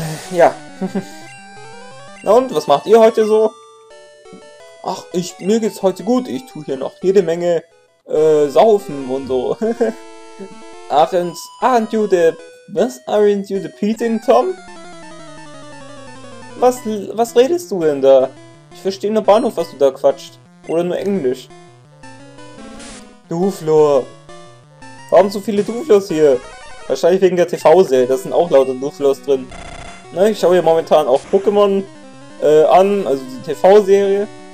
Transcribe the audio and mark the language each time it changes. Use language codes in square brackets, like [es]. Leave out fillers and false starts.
[de] Ja. Na und was macht ihr heute so? Ach, mir geht's heute gut. Ich tue hier noch jede Menge saufen und so. [en] Aren't you the Peeting Tom? [de] Was redest du denn da? Ich verstehe nur Bahnhof, was du da quatscht. Oder nur Englisch. Duflor. Warum so viele Duflors hier? Wahrscheinlich wegen der TV-Serie. Da sind auch lauter Duflors drin. Na, ich schaue hier momentan auch Pokémon an, also die TV-Serie.